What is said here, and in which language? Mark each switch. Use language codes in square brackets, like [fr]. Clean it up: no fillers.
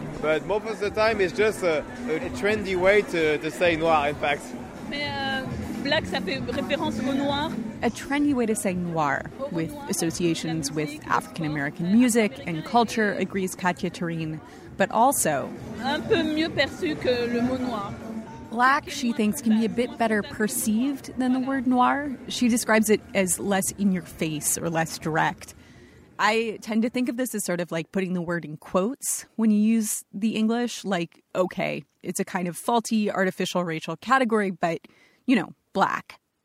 [en] But most of the time, it's just a trendy way to say noir, in fact. [fr] Black, ça fait référence au noir. [en] A trendy way to say noir, with associations with African-American music and culture, agrees Katia Turin, but also... [fr] Un peu mieux perçu que le mot noir. [en] Black, she thinks, can be a bit better perceived than the word noir. She describes it as less in-your-face or less direct. I tend to think of this as sort of like putting the word in quotes when you use the English, like, okay, it's a kind of faulty, artificial racial category, but, you know, black.